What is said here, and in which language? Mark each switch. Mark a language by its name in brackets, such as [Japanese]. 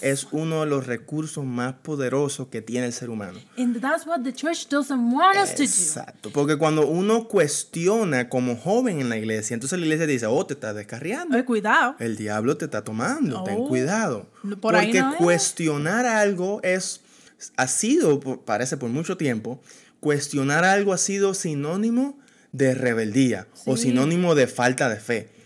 [Spanish] es uno de los recursos más poderosos que tiene el ser humano. [English] And that's what the church doesn't want us to do. [Spanish] Exacto, porque cuando uno cuestiona como joven en la iglesia, entonces la iglesia dice, oh, te estás descarriando. Cuidado. El diablo te está tomando, ten cuidado. Por porque ahí no cuestionar es. Algo es, ha sido, parece por mucho tiempo, cuestionar algo ha sido sinónimo de rebeldía sí. o sinónimo de falta de fe.